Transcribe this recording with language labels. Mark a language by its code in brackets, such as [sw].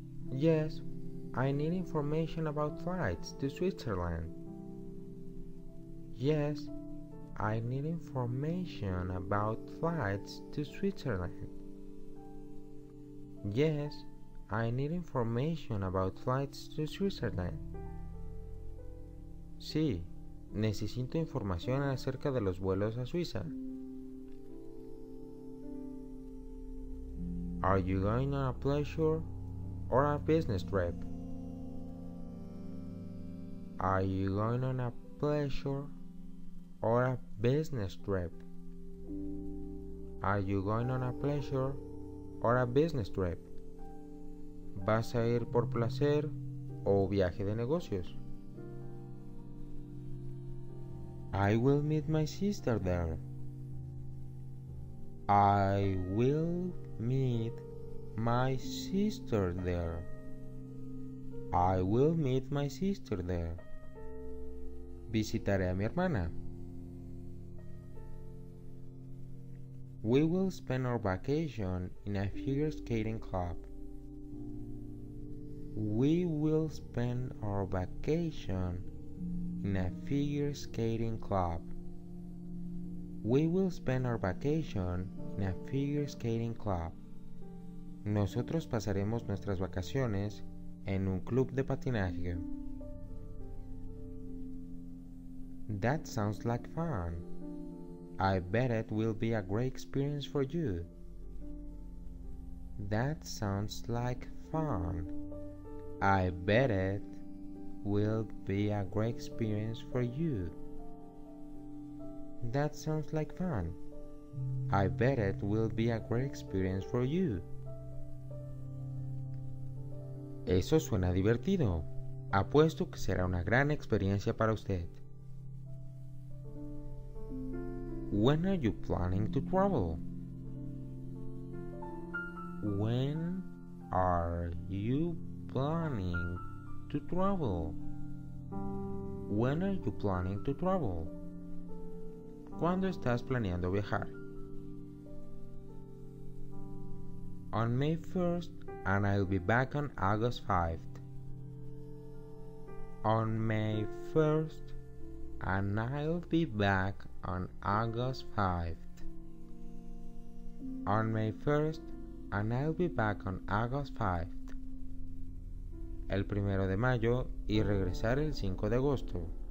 [en] Yes, I need information about flights to Switzerland. Yes, I need information about flights to Switzerland. Yes, I need information about flights to Switzerland. [es] Sí, necesito información acerca de los vuelos a Suiza. [en] Are you going on a pleasure or a business trip? Are you going on a pleasure or a business trip? Are you going on a pleasure or a business trip? [es] ¿Vas a ir por placer o viaje de negocios? [en] I will meet my sister there. I will meet my sister there. I will meet my sister there. [es] Visitaré a mi hermana. [en] We will spend our vacation in a figure skating club. We will spend our vacation in a figure skating club. We will spend our vacation in a figure skating club. [es] Nosotros pasaremos nuestras vacaciones en un club de patinaje. [en] That sounds like fun. I bet it will be a great experience for you. That sounds like fun. I bet it will be a great experience for you. That sounds like fun. I bet it will be a great experience for you. [es] Eso suena divertido. Apuesto que será una gran experiencia para usted. [en] When are you planning to travel? When are you planning to travel? When are you planning to travel? [es] ¿Cuándo estás planeando viajar? [en] On May 1st, and I'll be back on August 5th. On May 1st, and I'll be back on August 5th. On May 1st, and I'll be back on August 5th. [es] El primero de mayo y regresar el 5 de agosto.